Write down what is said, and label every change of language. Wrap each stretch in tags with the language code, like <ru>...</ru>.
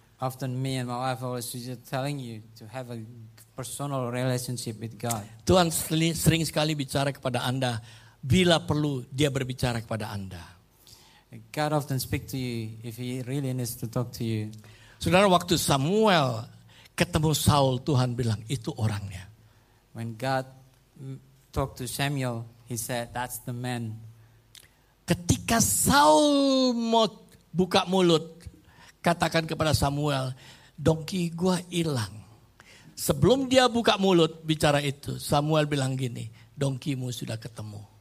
<en>Often me and my wife always telling you to have a personal relationship with God.</en> <id>Tuhan sering sekali bicara kepada Anda. Bila perlu, Dia berbicara kepada Anda.</id> <en>God often speak to you if He really needs to talk to you.</en> <id>Saudara, waktu Samuel ketemu Saul, Tuhan bilang, itu orangnya.</id> <en>When God talked to Samuel, He said, that's the man.</en> <id>Ketika Saul mau buka mulut, katakan kepada Samuel, donki gua hilang. Sebelum dia buka mulut bicara itu, Samuel bilang gini, donkimu sudah ketemu.</id>